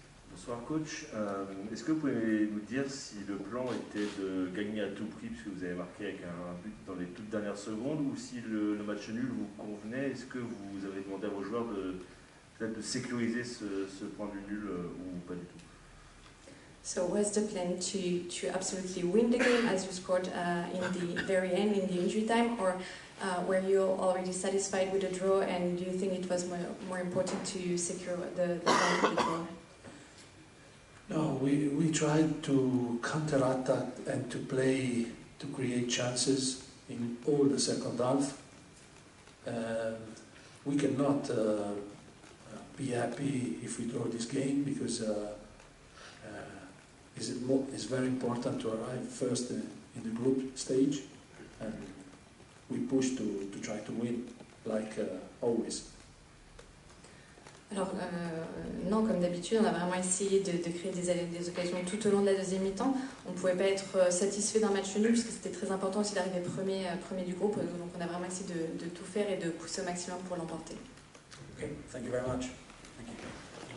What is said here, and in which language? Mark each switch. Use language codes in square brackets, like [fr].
[fr] Bonsoir coach, est-ce que vous pouvez nous dire si le plan était de gagner à tout prix puisque vous avez marqué avec un but dans les toutes dernières secondes ou si le match nul vous convenait? Est-ce que vous avez demandé à vos joueurs de sécuriser ce point du nul ou pas du tout? [en] So was the plan to absolutely win the game as you scored in the very end in the injury time, or were you already satisfied with the draw and do you think it was more important to secure the point of the draw? No, we tried to counter-attack and to play to create chances in all the second half. We cannot be happy if we draw this game because it's very important to arrive first in the group stage, and we push to try to win like always. [fr] Alors, non, comme d'habitude, on a vraiment essayé de créer des occasions tout au long de la deuxième mi-temps. On ne pouvait pas être satisfait d'un match nul, puisque c'était très important aussi d'arriver premier du groupe. Donc, on a vraiment essayé de tout faire et de pousser au maximum pour l'emporter. [en] Ok, thank you very much. Thank you.